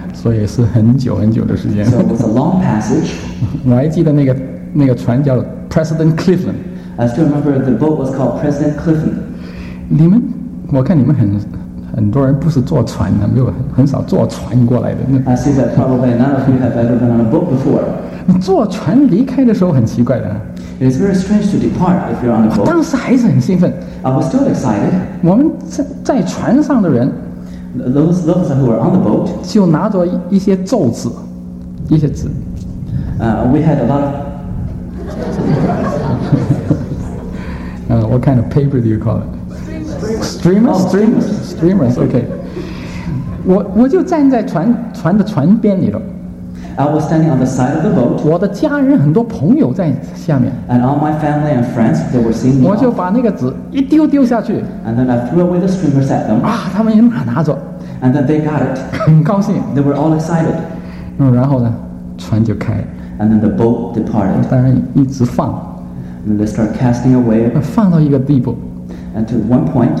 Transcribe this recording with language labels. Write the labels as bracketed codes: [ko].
[zh] 所以是很久很久的时间。 [en] So it was a long passage. [zh] 我还记得那个船叫President Clifton. [en] I still remember the boat was called President Clifton. [zh] 你们，我看你们很多人不是坐船的，没有很少坐船过来的。 [en] I see that probably none of you have ever been on a boat before. [zh] 坐船离开的时候很奇怪的。 [en] It is very strange to depart if you're on a boat. [zh] 我当时还是很兴奋。 [en] I was still excited. [zh] 我们在船上的人 [en] those who were on the boat [zh] 就拿着一些咒纸，一些纸。 [en] We had a lot of what kind of paper do you call it? Streamers. [zh] Okay. 我就站在船的船边里头。 [en] I was standing on the side of the boat. [zh] 我的家人很多朋友在下面。 [en] And all my family and friends, they were seeing me. [zh] 我就把那个纸一丢丢下去。 [en] And then I threw away the streamers at them. [zh] 啊，他们也马上拿走。 [en] And then they got it. [zh] 很高兴。 [en] They were all excited. [zh] 然后呢，船就开。 [en] And then the boat departed. [zh] 当然一直放。 [en] And they start casting away. [zh] 放到一个地步。 [en] And to one point.